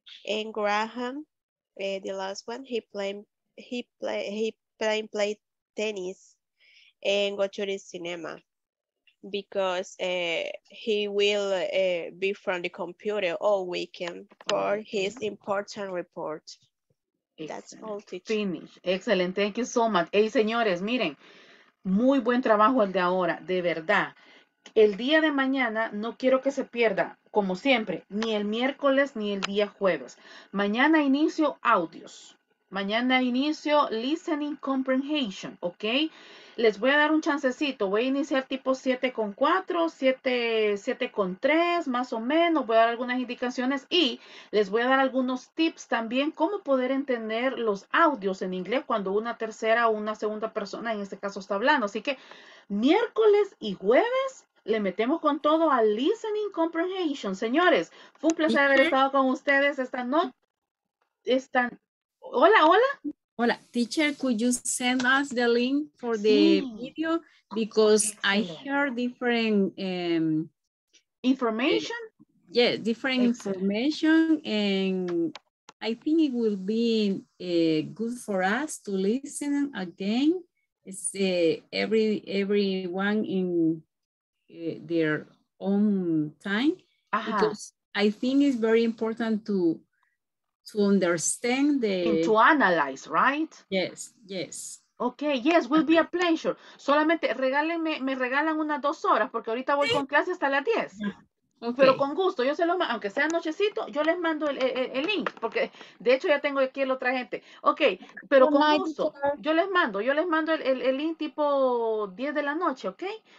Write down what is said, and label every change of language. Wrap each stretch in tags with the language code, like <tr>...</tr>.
<en>And Graham, the last one, he play tennis and go to the cinema because he will be from the computer all weekend for his important report. Excellent. That's all, teacher. Finish. Excellent. Thank you so much.</en> <es>Hey, señores, miren, muy buen trabajo el de ahora, de verdad. El día de mañana no quiero que se pierda, como siempre, ni el miércoles ni el día jueves. Mañana inicio audios. Mañana inicio listening comprehension, ¿ok? Les voy a dar un chancecito. Voy a iniciar tipo 7:04, 7:03, más o menos. Voy a dar algunas indicaciones y les voy a dar algunos tips también cómo poder entender los audios en inglés cuando una tercera o una segunda persona, en este caso, está hablando. Así que miércoles y jueves le metemos con todo a listening comprehension. Señores, fue un placer haber estado con ustedes esta noche. Hola.</es> <en>Teacher, could you send us the link for the video? Because I heard different information. Yeah, different information. And I think it will be good for us to listen again. It's everyone in their own time. Uh-huh. Because I think it's very important to understand the... And to analyze, right? Yes. Okay, yes, will be a pleasure.</en> <es>Solamente regálenme, me regalan unas 2 horas, porque ahorita voy con clase hasta las 10. Okay. Pero con gusto, yo se lo mando, aunque sea nochecito, yo les mando el link, porque de hecho ya tengo aquí el otra gente. Okay, pero con gusto, yo les mando el link tipo 10 de la noche, okay?</es>